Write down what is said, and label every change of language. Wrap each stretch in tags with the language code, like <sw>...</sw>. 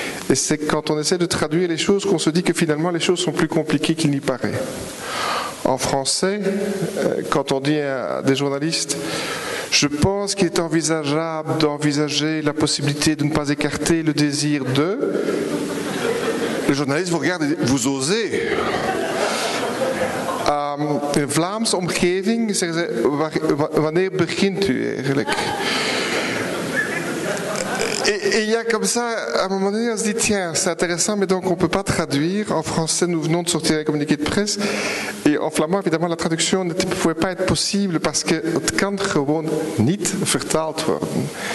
<fr>Et c'est quand on essaie de traduire les choses qu'on se dit que finalement les choses sont plus compliquées qu'il n'y paraît. En français, quand on dit à des journalistes, je pense qu'il est envisageable d'envisager la possibilité de ne pas écarter le désir de... Le journaliste vous regarde et dit, vous osez. Une</fr> <nl>Vlaamse omgeving, zeggen ze, wanneer begint u eigenlijk?</nl> <fr>Et il y a comme ça, à un moment donné, on se dit, tiens, c'est intéressant, mais donc on ne peut pas traduire. En français, nous venons de sortir un communiqué de presse. Et en flamand, évidemment, la traduction ne pouvait pas être possible parce que</fr> <nl>het kan gewoon niet vertaald worden.</nl>